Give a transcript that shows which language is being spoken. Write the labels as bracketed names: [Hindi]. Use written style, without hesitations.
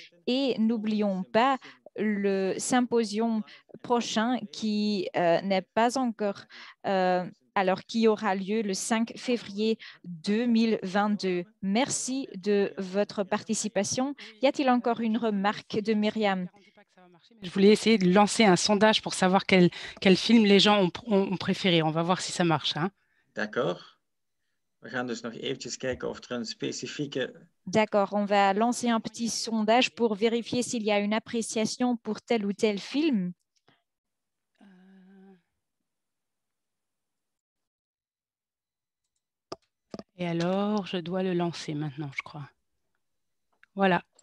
[French] Et n'oublions pas le symposium prochain qui n'est pas encore, alors qui aura lieu le 5 février 2022. Merci de votre participation. Y a-t-il encore une remarque de Myriam? Je voulais essayer de lancer un sondage pour savoir quel film les gens ont préféré. On va voir si ça marche. Hein. D'accord. [Dutch] We gaan dus nog eventjes kijken of er een [French] spécifique... D'accord. On va lancer un petit sondage pour vérifier s'il y a une appréciation pour tel ou tel film. Et alors, je dois le lancer maintenant, je crois. Voilà.